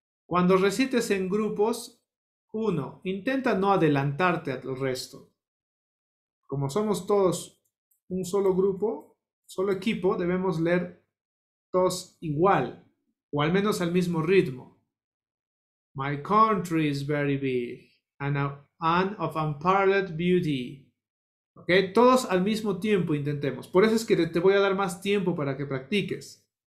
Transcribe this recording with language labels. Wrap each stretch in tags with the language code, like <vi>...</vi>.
<es>Cuando recites en grupos, uno, intenta no adelantarte al resto. Como somos todos un solo grupo, solo equipo, debemos leer todos igual, o al menos al mismo ritmo.</es> <en>My country is very big and of unparalleled beauty.</en> <es>Okay, todos al mismo tiempo intentemos. Por eso es que te voy a dar más tiempo para que practiques.</es>